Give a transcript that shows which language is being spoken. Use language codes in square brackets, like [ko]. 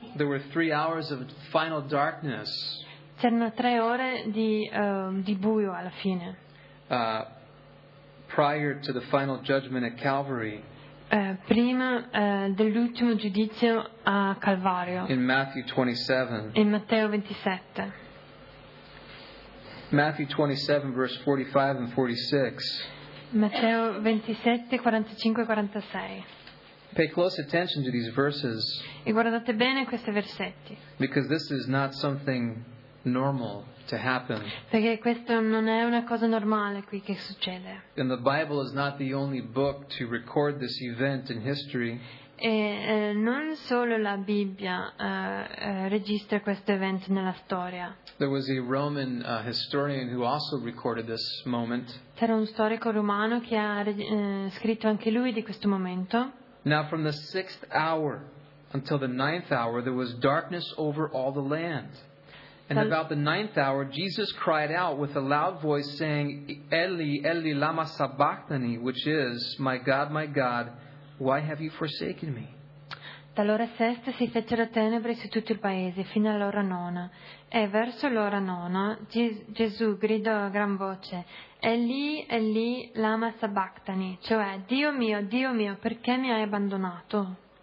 [en] There were 3 hours of final darkness. [it] C'erano 3 ore di buio alla fine. [en] Prior to the final judgment at Calvary. [it] Prima dell'ultimo giudizio a Calvario. [en] In Matthew 27. [it] In Matteo 27. [en] Matthew 27 verse 45 and 46. [it] Matteo 27, 45 e 46. [en] Pay close attention to these verses. [it] E guardate bene questi versetti. [en] Because this is not something normal to happen. [it] Perché questo non è una cosa normale qui che succede. [en] And the Bible is not the only book to record this event in history. [it] E non solo la Bibbia registra questo evento nella storia. [en] There was a Roman historian who also recorded this moment. [it] C'era un storico romano che ha scritto anche lui di questo momento. [en] Now from the sixth hour until the ninth hour there was darkness over all the land. And about the ninth hour, Jesus cried out with a loud voice, saying, [arc] "Eli, Eli, lama sabachthani," [en] which is, my God, why have you forsaken me?" [it] Dall'ora sesta si fecero tenebre su tutto il paese fino all'ora nona. E verso l'ora nona, Gesù gridò a gran voce, [arc] "Eli, Eli, lama sabachthani," [it] cioè, Dio mio, perché mi hai abbandonato?"